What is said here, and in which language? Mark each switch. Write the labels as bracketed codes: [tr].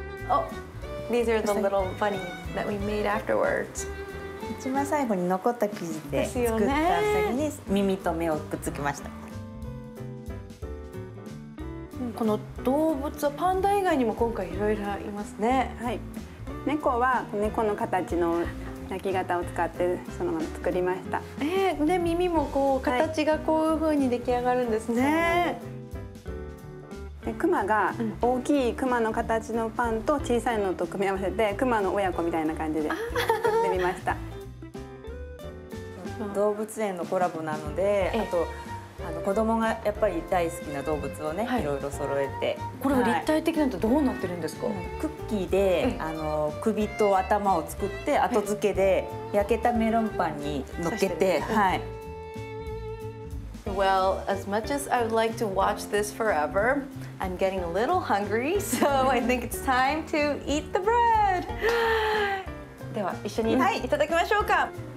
[en] Oh, these are the little bunnies that we made afterwards. [ja] 一番最後に残った生地で作ったうさぎに耳と目をくっつけました。この動物はパンダ以外にも今回いろいろいますね。はい。猫は猫の形の鳴き型を使ってそのまま作りました。で耳もこう形がこういう風に出来上がるんですね。はいでクマが大きいクマの形のパンと小さいのと組み合わせてクマの親子みたいな感じで作ってみました。動物園のコラボなので、あと子供がやっぱり大好きな動物をね、はい、いろいろ揃えて。これは立体的なんてどうなってるんですか？クッキーで、首と頭を作って後付けで焼けたメロンパンに乗っけて、はい。 [en] Well, as much as I would like to watch this forever, I'm getting a little hungry, so I think it's time to eat the bread. [ja] では一緒にいただきましょうか。